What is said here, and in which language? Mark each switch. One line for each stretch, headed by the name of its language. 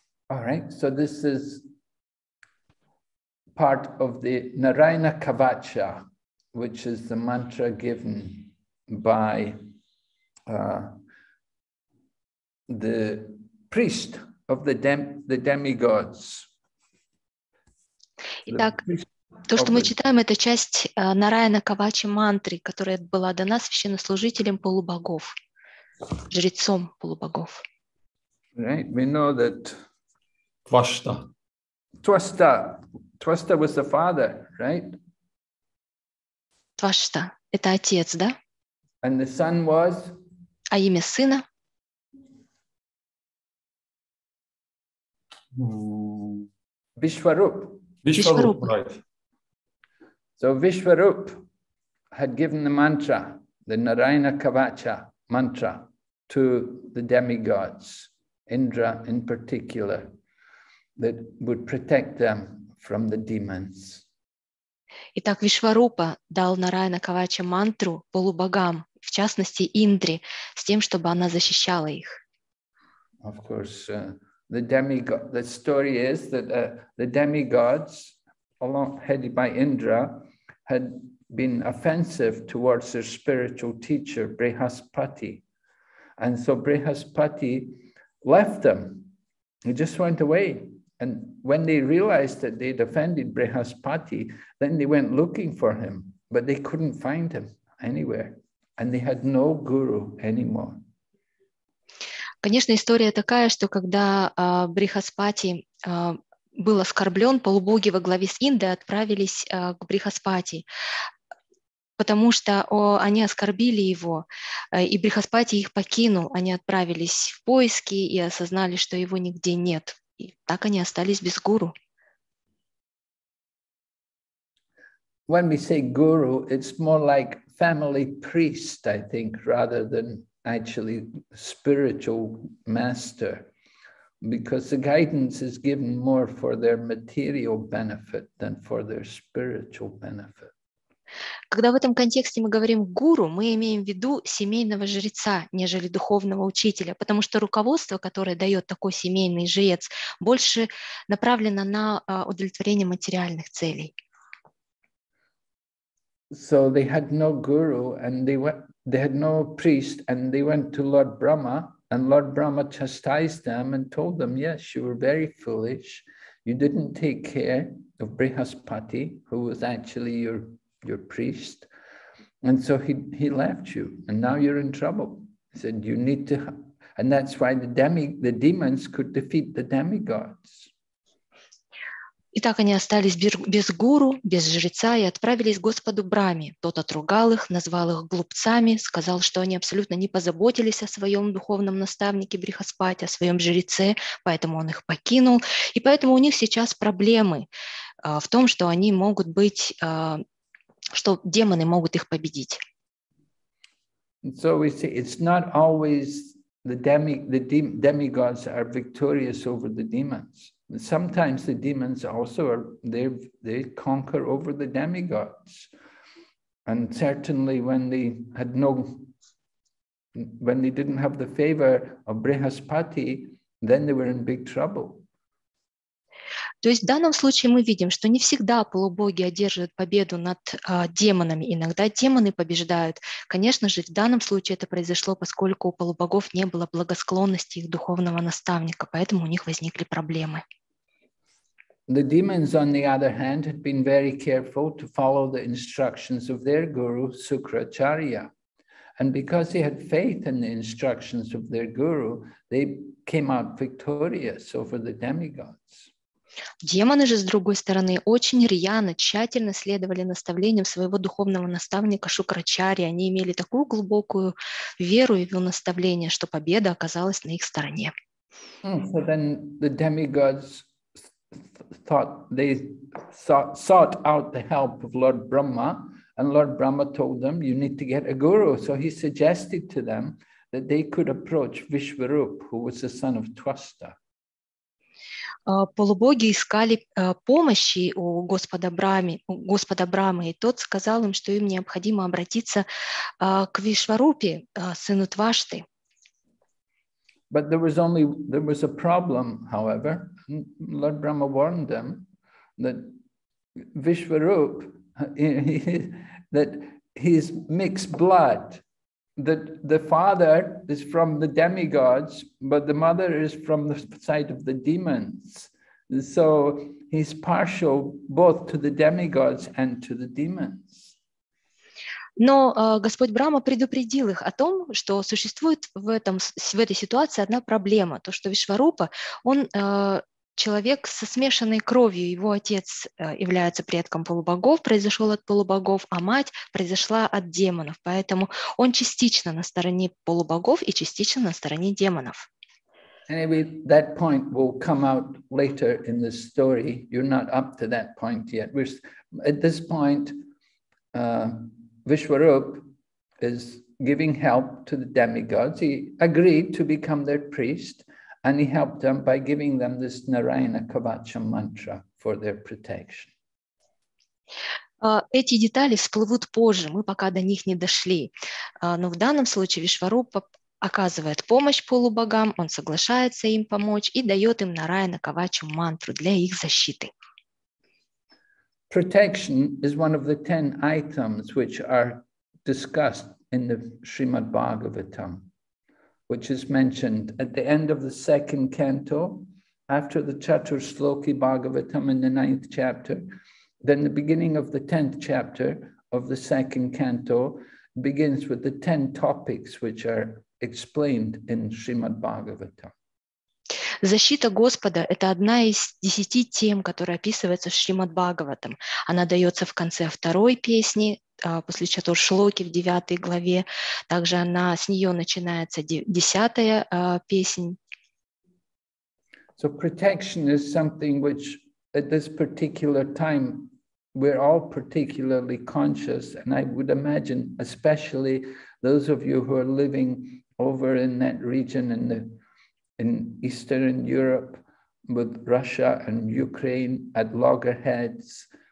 English: All right, so this is part of the Narayana Kavacha, which is the mantra given by the priest of the demigods.
Russian: Итак, то, что мы читаем, это часть Нараяна Кавачи мантры, которая была дана священнослужителем полубогов, жрецом полубогов.
English: Right, we know that
Russian: Твашта.
English: Твашта. Твашта was the father, right?
Russian: Твашта. Это отец, да?
English: And the son was?
Russian: А имя сына?
English: Vishwarup. Vishwarup, right. So Vishwarup had given the mantra, the Narayana Kavacha mantra, to the demigods, Indra in particular, that would protect them from the demons.
Russian: Итак, Вишварупа дал Нараяна Кавача мантру полубогам, в частности Индре, с тем, чтобы она защищала их.
English: Of course, the demigod, the story is that the demigods, along headed by Indra, had been offensive towards their spiritual teacher Brihaspati, and so Brihaspati left them. He just went away. And when they realized that they'd offended Brihaspati, then they went looking for him, but they couldn't find him anywhere, and they had no guru anymore.
Russian: Конечно, история такая, что когда Брихаспати был оскорблен, полубоги во главе с Индой отправились к Брихаспати, потому что они оскорбили его, и Брихаспати их покинул. Они отправились в поиски и осознали, что его нигде нет. И так они остались без гуру.
English: When we say guru, it's more like family priest, I think, rather than actually spiritual master, because the guidance is given more for their material benefit than for their spiritual benefit.
Russian: Когда в этом контексте мы говорим «гуру», мы имеем в виду семейного жреца, нежели духовного учителя, потому что руководство, которое дает такой семейный жрец, больше направлено на удовлетворение материальных целей.
English: So they had no guru, and they had no priest, and they went to Lord Brahma, and Lord Brahma chastised them and told them, yes, you were very foolish, you didn't take care of Brihaspati, who was actually your priest, and so he left you, and now you're in trouble. He said you need to, and that's why the demons could defeat the demigods.
Russian: Итак, они остались без гуру, без жреца и отправились к господу Браме. Тот отругал их, назвал их глупцами, сказал, что они абсолютно не позаботились о своем духовном наставнике Брихаспати, о своем жреце, поэтому он их покинул, и поэтому у них сейчас проблемы в том, что они могут быть что демоны могут их победить.
English: So we see it's not always the demigods are victorious over the demons. Sometimes the demons also are they conquer over the demigods. And certainly when they didn't have the favor of Brihaspati, then they were in big trouble.
Russian: То есть в данном случае мы видим, что не всегда полубоги одерживают победу над демонами. Иногда демоны побеждают. Конечно же, в данном случае это произошло, поскольку у полубогов не было благосклонности их духовного наставника, поэтому у них возникли проблемы.
English: The demons, on the other hand, had been very careful to follow the instructions of their guru, Sukracharya. And because they had faith in the instructions of their guru, they came out victorious over the demigods.
Russian: Демоны же, с другой стороны, очень рьяно, тщательно следовали наставлениям своего духовного наставника Шукрачарьи. Они имели такую глубокую веру в его наставление, что победа оказалась на их стороне.
English: So then the demigods sought out the help of Lord Brahma, and Lord Brahma told them, you need to get a guru. So he suggested to them that they could approach Vishwarup, who was the son of Tvasta.
Russian: Полубоги искали помощи у господа Брамы, и тот сказал им, что им необходимо обратиться к Вишварупе, сыну Твашты.
English: But there was a problem, however. Lord Brahma warned them that Vishwarup, that he's mixed blood, that the father is from the demigods, but the mother is from the side of the demons. So he's partial both to the demigods and to the demons.
Russian: Но Господь Брама предупредил их о том, что существует в этой ситуации одна проблема, то, что Вишварупа, он человек со смешанной кровью, его отец является предком полубогов, произошел от полубогов, а мать произошла от демонов, поэтому он частично на стороне полубогов и частично на стороне демонов.
English: Anyway, that point will come out later in the story. You're not up to that point yet. At this point, Vishwarup is giving help to the demigods. He agreed to become their priest, and he helped them by giving them this Narayana Kavacha mantra for their protection.
Russian: Эти детали всплывут позже, мы пока до них не дошли. Но в данном случае Вишварупа оказывает помощь полубогам, он соглашается им помочь и дает им Нараяна Кавачу мантру для их защиты.
English: Protection is one of the 10 items which are discussed in the Srimad Bhagavatam, which is mentioned at the end of the second canto, after the Chatursloki Bhagavatam in the 9th chapter. Then the beginning of the 10th chapter of the second canto begins with the 10 topics which are explained in Srimad Bhagavatam.
Russian: Защита Господа – это одна из 10 тем, которые описываются в Шримад Бхагаватам. Она дается в конце второй песни, после Чатуршлоки в 9 главе. Также она, с нее начинается 10 песнь.
English: So protection is something which at this particular time we're all particularly conscious, and I would imagine, especially those of you who are living over in that region in Eastern Europe with Russia and Ukraine at loggerheads.